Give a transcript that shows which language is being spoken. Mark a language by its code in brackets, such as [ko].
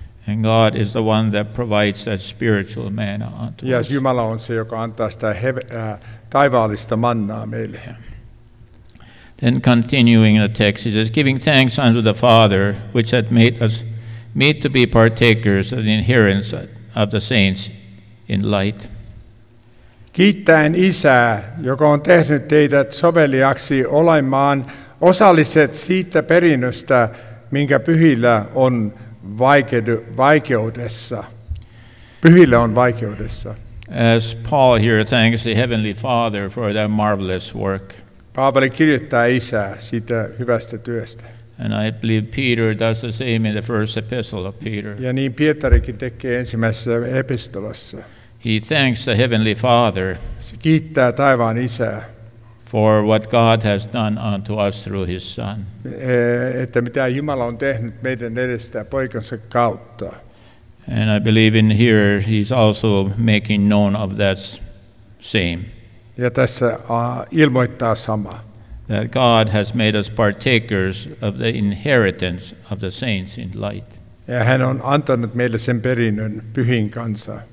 [en] And God is the one that provides that spiritual manna unto us. [fi] Ja Jumala on se, joka antaa sitä taivaallista mannaa meille. [en] Then continuing the text, he says, giving thanks unto the Father, which hath made us meet to be partakers of the inheritance of the saints in light. [fi] Kiittäen Isää, joka on tehnyt teidät soveliaksi olemaan osalliset siitä perinnöstä, minkä pyhillä on vaikeudessa. Pyhillä on vaikeudessa. [en] As Paul here thanks the Heavenly Father for that marvelous work. [fi] Paavali kirjoittaa Isää siitä hyvästä työstä. [en] And I believe Peter does the same in the first epistle of Peter. [fi] Ja niin Pietarikin tekee ensimmäisessä epistolassa. [en] He thanks the Heavenly Father [fi] se kiittää taivaan Isää [en] for what God has done unto us through his Son. [fi] Että mitä Jumala on tehnyt meidän edestä poikansa kautta. [en] And I believe in here he's also making known of that same. [fi] Ja tässä ilmoittaa sama. [en] That God has made us partakers of the inheritance of the saints in light. [fi] Ja hän on antanut meille sen perinnön pyhin kanssa.